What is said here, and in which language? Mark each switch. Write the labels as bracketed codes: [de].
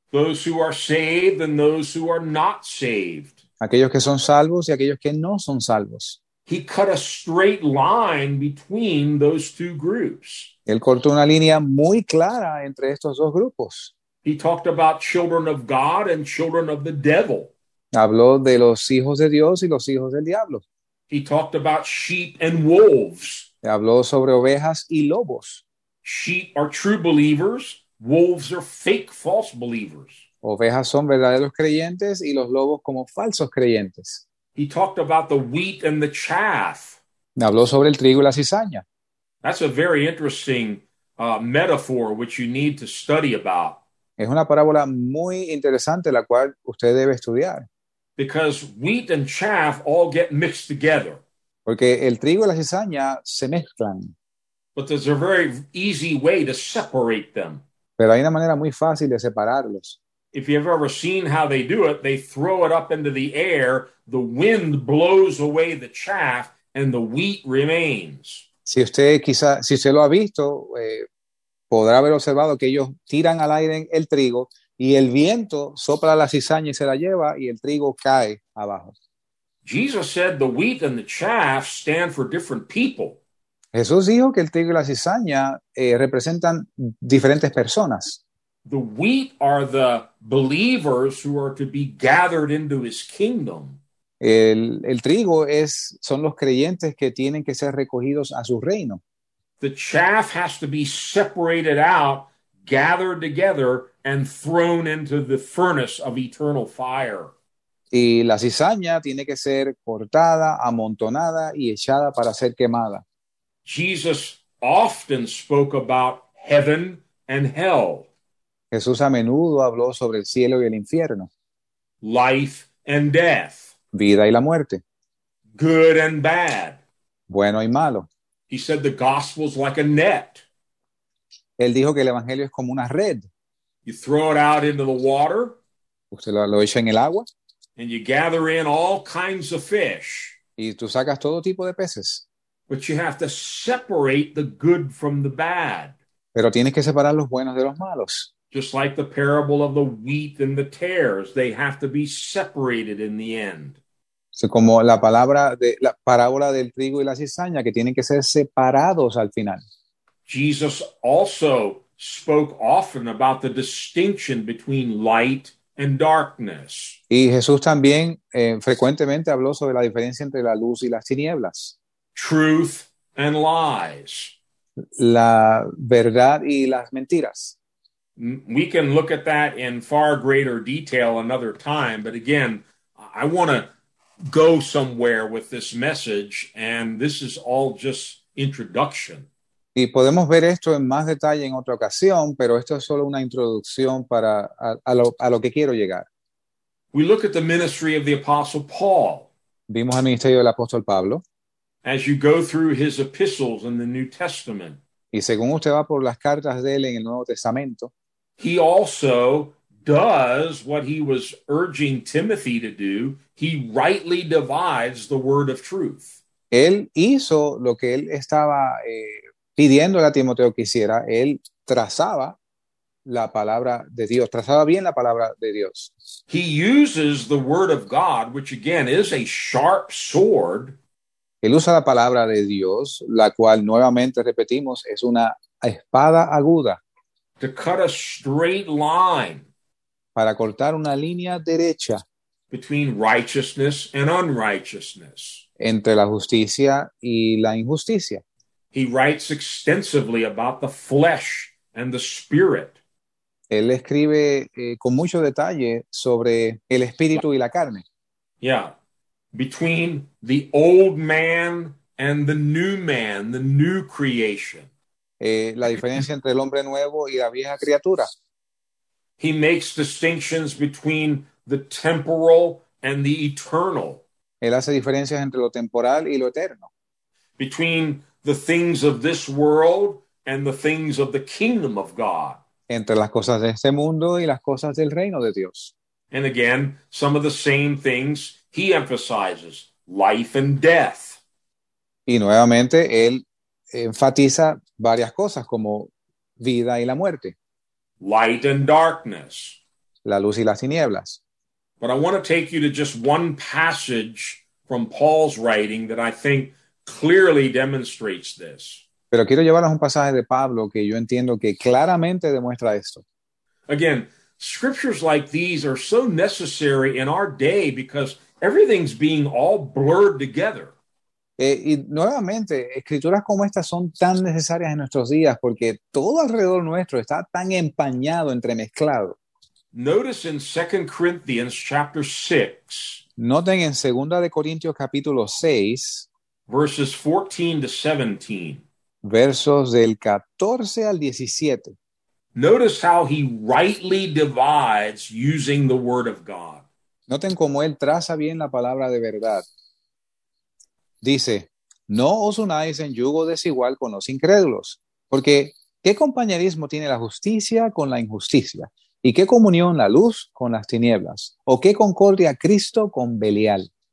[en] Those who are saved and those who are not saved. [es] Aquellos que son salvos y aquellos que no son salvos. [en] He cut a straight line between those two groups. [es] Él cortó una línea muy clara entre estos dos grupos. [en] He talked about children of God and children of the devil. [es] Habló de los hijos de Dios y los hijos del diablo. [en] He talked about sheep and wolves. [es] Habló sobre ovejas y lobos. [en] Sheep are true believers. Wolves are fake false believers. [es] Ovejas son verdaderos creyentes y los lobos como falsos creyentes. [en] He talked about the wheat and the chaff. [es] Habló sobre el trigo y la cizaña. [en] That's a very interesting metaphor which you need to study about. [es] Es una parábola muy interesante la cual usted debe estudiar. [en] Because wheat and chaff all get mixed together. [es] Porque el trigo y la cizaña se mezclan. [en] But there's a very easy way to separate them. [es] Pero hay una manera muy fácil de separarlos. [en] If you've ever seen how they do it, they throw it up into the air, the wind blows away the chaff, and the wheat remains. [es] Si usted quizá, si usted lo ha visto, podrá haber observado que ellos tiran al aire el trigo, y el viento sopla la cizaña y se la lleva, y el trigo cae abajo. [en] Jesus said the wheat and the chaff stand for different people. [es] Jesús dijo que el trigo y la cizaña representan diferentes personas. [en] The wheat are the believers who are to be gathered into his kingdom. [es] El trigo es, son los creyentes que tienen que ser recogidos a su reino. [en] The chaff has to be separated out, gathered together, and thrown into the furnace of eternal fire. [es] Y la cizaña tiene que ser cortada, amontonada y echada para ser quemada. [en] Jesus often spoke about heaven and hell. [es] Jesús a menudo habló sobre el cielo y el infierno. [en] Life and death. [es] Vida y la muerte. [en] Good and bad. [es] Bueno y malo. [en] He said the gospel's like a net. [es] Él dijo que el evangelio es como una red. [en] You throw it out into the water. [es] Usted lo echa en el agua. [en] And you gather in all kinds of fish. [es] Y tú sacas todo tipo de peces. [en] But you have to separate the good from the bad. [es] Pero tienes que separar los buenos de los malos. [en] Just like the parable of the wheat and the tares, they have to be separated in the end. [es] So como la palabra de la parábola del trigo y la cizaña que tienen que ser separados al final. [en] Jesus also spoke often about the distinction between light and darkness. [es] Y Jesús también frecuentemente habló sobre la diferencia entre la luz y las tinieblas. [en] Truth and lies. [es] La verdad y las mentiras. [en] We can look at that in far greater detail another time, but again, I want to go somewhere with this message, and this is all just introduction. [es] Y podemos ver esto en más detalle en otra ocasión, pero esto es solo una introducción para a lo que quiero llegar. [en] We look at the ministry of the Apostle Paul. [es] Vimos el ministerio del apóstol Pablo. [en] As you go through his epistles in the New Testament. [es] Y según usted va por las cartas de él en el Nuevo Testamento. [en] He also does what he was urging Timothy to do. He rightly divides the word of truth. [es] Él hizo lo que él estaba pidiendo a Timoteo que hiciera. Él trazaba la palabra de Dios, trazaba bien la palabra de Dios. [en] He uses the word of God, which again is a sharp sword. [es] Él usa la palabra de Dios, la cual nuevamente repetimos, es una espada aguda. [en] To cut a straight line. [es] Para cortar una línea derecha. [en] Between righteousness and unrighteousness. [es] Entre la justicia y la injusticia. [en] He writes extensively about the flesh and the spirit. [es] Él escribe con mucho detalle sobre el espíritu y la carne. [en] Yeah. Between the old man and the new man, the new creation. [es] La diferencia entre el hombre nuevo y la vieja criatura. [en] He makes distinctions between the temporal and the eternal. [es] Él hace diferencias entre lo temporal y lo eterno. [en] Between the things of this world and the things of the kingdom of God. [es] Entre las cosas de este mundo y las cosas del reino de Dios. [en] And again, some of the same things he emphasizes, life and death. [es] Y nuevamente, él enfatiza varias cosas como vida y la muerte. [en] Light and darkness. [es] La luz y las tinieblas. [en] But I want to take you to just one passage from Paul's writing that I think clearly demonstrates this. [es] Pero quiero llevarles un pasaje de Pablo que yo entiendo que claramente demuestra esto. [en] Again, scriptures like these are so necessary in our day because everything's being all blurred together. [es] Y nuevamente, escrituras como estas son tan necesarias en nuestros días porque todo alrededor nuestro está tan empañado, entremezclado. [en] Notice in 2 Corinthians chapter 6. [es] Noten en 2 de Corintios capítulo 6. [en] Verses 14 to 17. [es] Versos del 14 al 17. [en] Notice how he rightly divides using the word of God. [es] Noten cómo él traza bien la palabra de verdad. Dice, no os unáis en yugo desigual con los incrédulos, porque ¿qué compañerismo tiene la justicia con la injusticia? ¿Y qué comunión la luz con las tinieblas? ¿O qué concordia Cristo con Belial?